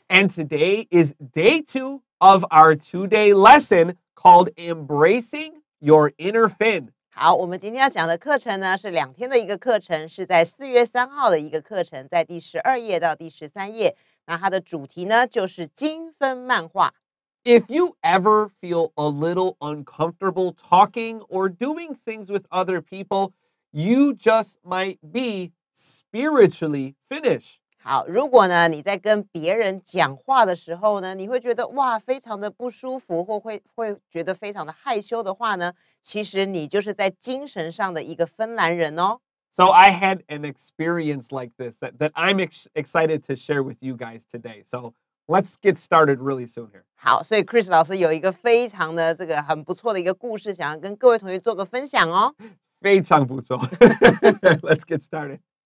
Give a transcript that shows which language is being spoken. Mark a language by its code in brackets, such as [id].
[en] And today is day two of our two-day lesson called Embracing Your Inner Finn. [zh] 好我们今天要讲的课程呢是两天的一个课程是在四月三号的一个课程在第十二页到第十三页。那它的主题呢就是精分漫画。 [en] If you ever feel a little uncomfortable talking or doing things with other people, you just might be spiritually finished. [zh] 好如果呢你在跟别人讲话的时候呢你会觉得哇非常的不舒服或 会觉得非常的害羞的话呢其实你就是在精神上的一个芬兰人哦。 [en] So I had an experience like this that I'm excited to share with you guys today. So let's get started really soon here. [zh] 好所以 Chris 老师有一个非常的这个很不错的一个故事想要跟各位同学做个分享哦。非常不错。 [en] Let's get started.